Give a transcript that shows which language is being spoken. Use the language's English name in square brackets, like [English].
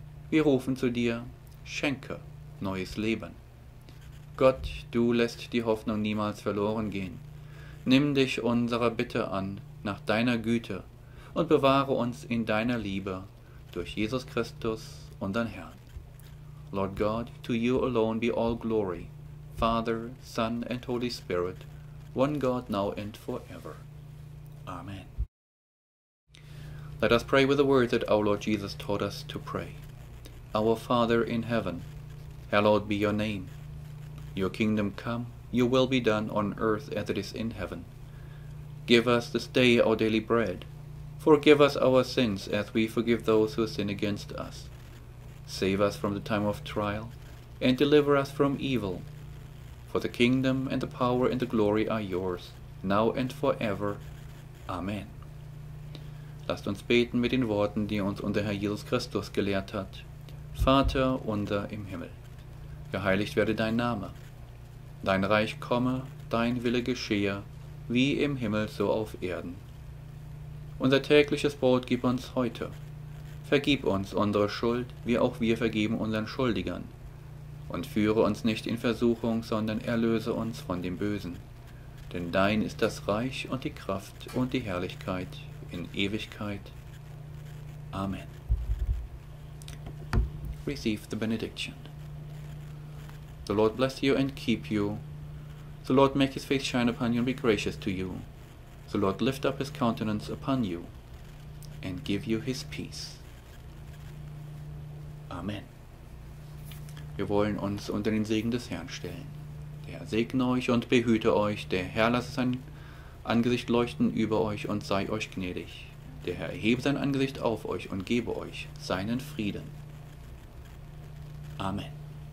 [German] Wir rufen zu dir, schenke neues Leben. Gott, du lässt die Hoffnung niemals verloren gehen. Nimm dich unserer Bitte an, nach deiner Güte, und bewahre uns in deiner Liebe, durch Jesus Christus, unseren Herrn. [English] Lord God, to you alone be all glory, Father, Son, and Holy Spirit, one God now and forever. Amen. Let us pray with the words that our Lord Jesus taught us to pray. Our Father in heaven, hallowed be your name. Your kingdom come, your will be done on earth as it is in heaven. Give us this day our daily bread. Forgive us our sins as we forgive those who sin against us. Save us from the time of trial, and deliver us from evil. For the kingdom and the power and the glory are yours, now and forever. Amen. [German] Lasst uns beten mit den Worten, die uns unser Herr Jesus Christus gelehrt hat. Vater unser im Himmel, geheiligt werde dein Name. Dein Reich komme, dein Wille geschehe, wie im Himmel so auf Erden. Unser tägliches Brot gib uns heute. Vergib uns unsere Schuld, wie auch wir vergeben unseren Schuldigern. Und führe uns nicht in Versuchung, sondern erlöse uns von dem Bösen. Denn dein ist das Reich und die Kraft und die Herrlichkeit in Ewigkeit. Amen. [English] Receive the benediction. The Lord bless you and keep you. The Lord make his face shine upon you and be gracious to you. The Lord lift up his countenance upon you and give you his peace. Amen. [German] Wir wollen uns unter den Segen des Herrn stellen. Der Herr segne euch und behüte euch. Der Herr lasse sein Angesicht leuchten über euch und sei euch gnädig. Der Herr erhebe sein Angesicht auf euch und gebe euch seinen Frieden. Amen.